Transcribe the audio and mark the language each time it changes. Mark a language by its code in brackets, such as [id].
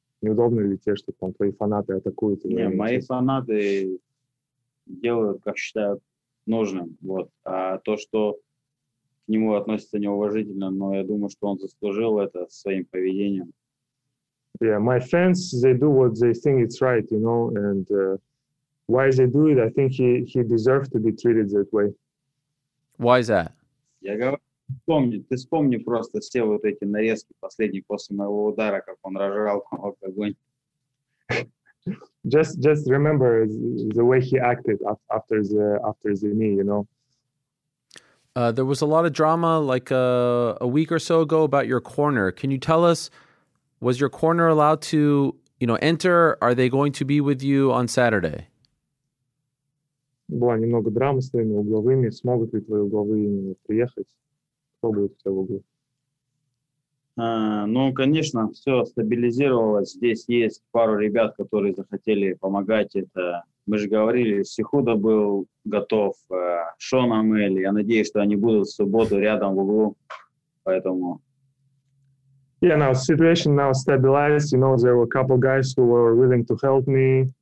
[ru] Неудобно ли те, что там твои фанаты атакуют? Не, мои фанаты делают, как считают нужным. Вот. А то, что к нему относится неуважительно, но я думаю, что он заслужил это своим поведением. [en] Yeah, my fans, they do what they think it's right, you know, and why they do it, I think he deserves to be treated that way. Why is that? [ru] Я говорю, ты вспомни просто все вот эти нарезки последние после моего удара, как он разжигал огонь. [en] Just remember the way he acted after the knee, you know. There was a lot of drama like a week or so ago about your corner. Can you tell us, was your corner allowed to, you know, enter? Are they going to be with you on Saturday? [ru] Была немного драма с твоими угловыми. Смогут ли твои угловые приехать? Кто будет у тебя в углу? Ну, конечно, все стабилизировалось. Здесь есть пару ребят, которые захотели помогать. Это мы же говорили, Сихуда был готов, Шон Амель. Я надеюсь, что они будут в субботу рядом в углу, поэтому. [en] Yeah, now situation now stabilized. You know, there were a couple guys who were willing to help me.